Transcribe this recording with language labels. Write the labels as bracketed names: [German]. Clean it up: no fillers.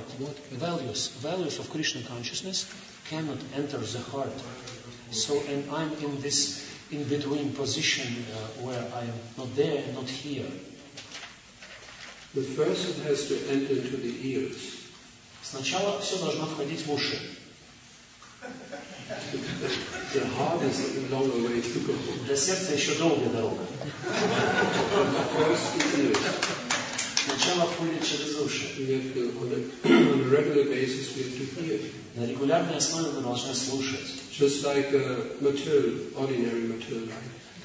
[English] Values of Krishna consciousness cannot enter the heart. So, and I'm in this in between position where I'm not there, not here. The first it has to enter to the ears. [Russian] Сначала все должно входить в уши. [English] The heart is a long way to go. [Russian] Для сердца еще долгая дорога. [English] First, [Russian] сначала входит через уши. [English] On a regular basis, we have to hear. [Russian] На регулярной основе мы должны слушать. [English] Just like a material, ordinary material life.